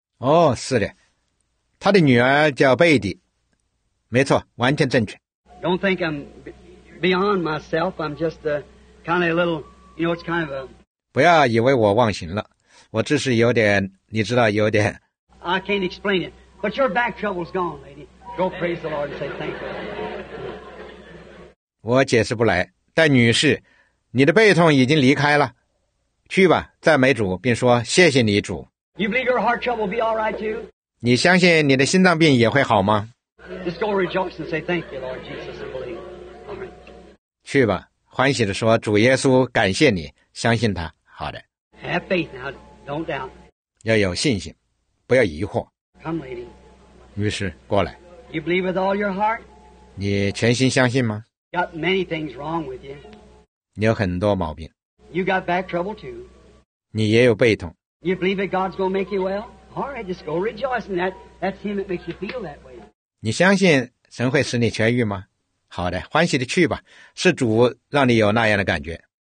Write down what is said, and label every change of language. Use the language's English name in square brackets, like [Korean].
[Chinese] 哦，是的，她的女儿叫贝蒂，没错，完全正确。 [English] Don't think I'm beyond myself. I'm just a kind of a little, you know, it's kind of a. [Chinese] 不要以为我忘形了。我只是有点，你知道，有点。 [English] I can't explain it, but your back trouble's gone, lady. Go praise the Lord and say thank you. [Chinese] 我解释不来，但女士，你的背痛已经离开了，去吧，赞美主，并说谢谢你，主。 [English] You believe your heart trouble will be all right too? [Chinese] 你相信你的心脏病也会好吗 [English] ？Just go rejoice and say thank you, Lord Jesus, and believe. Amen. [Chinese] 去吧，欢喜地说，主耶稣，感谢你，相信他，好的。 [English] Have faith now. Don't doubt. [Chinese] 要有信心，不要疑惑。 [English] Come, lady. [Chinese] 女士，过来。 [English] You believe with all your heart? [Chinese] 你全心相信吗 [English] ？Got many things wrong with you. [Chinese] 你有很多毛病。 [English] You got back trouble too. [Chinese] 你也有背痛。 [English] You believe that God's going to make you well? All right, just go rejoicing. That's Him that makes you feel that way. [Chinese] 你相信神会使你痊愈吗？好的，欢喜的去吧。是主让你有那样的感觉。